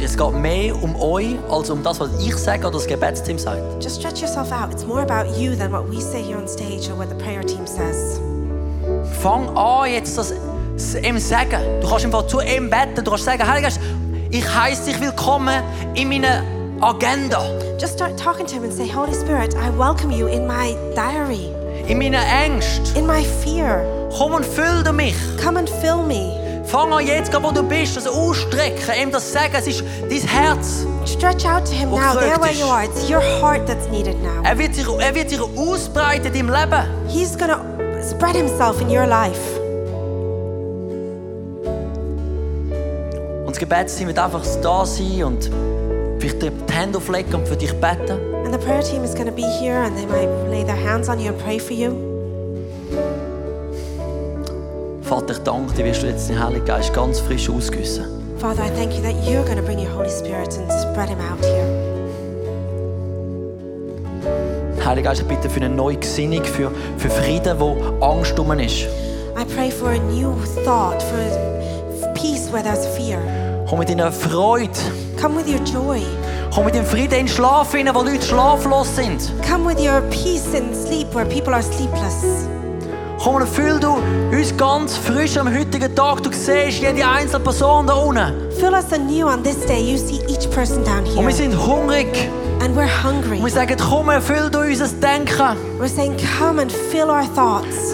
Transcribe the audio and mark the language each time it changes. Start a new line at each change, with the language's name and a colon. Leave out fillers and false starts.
German: Es geht mehr um euch als um das, was ich sage oder das Gebetsteam sagt.
English: Just stretch yourself out. It's more about you than what we say here on stage or what the prayer team says.
German: Fang an, jetzt das ihm sagen. Du kannst einfach zu ihm beten. Du kannst sagen, Heiliger Geist, ich heiße dich willkommen in meiner Agenda.
English: Just start talking to him and say, Holy Spirit, I welcome you in my diary.
German: In meiner Angst.
English: In my fear.
German: Komm und füll du mich.
English: Come and fill me.
German: Fang an jetzt, wo du bist, das ausstrecken, ihm das sagen, es ist dein Herz.
English: Stretch out to him now, there where you are. It's your heart that's needed now.
German: Er wird sich ausbreiten in deinem Leben.
English: He's gonna spread himself in your life.
German: Und das Gebetsteam wird einfach da sein und vielleicht die Hände auflegen und für dich beten.
English: And the prayer team is gonna be here and they might lay their hands on you and pray for you.
German: Vater, ich danke dir, wirst du jetzt den Heiligen Geist ganz frisch ausgüssen.
English: Father, I thank you that you're going to bring your Holy Spirit and spread him out here.
German: Heiliger Geist, ich bitte für eine neue Gesinnung, für Frieden, wo Angst drin ist.
English: I pray for a new thought, for peace where there's fear.
German: Komm mit deiner Freude.
English: Come with your joy.
German: Komm mit dem Frieden in Schlaf rein, wo Leute schlaflos sind.
English: Come with your peace in sleep where people are sleepless.
German: Komm und füll du uns ganz frisch am heutigen Tag. Du siehst jede einzelne Person da unten.
English: Fill us anew on this day. You see each person down here.
German: Und wir sind hungrig.
English: And we're hungry.
German: Und wir sagen, komm, erfüll du unser Denken.
English: We're saying, come and fill our thoughts.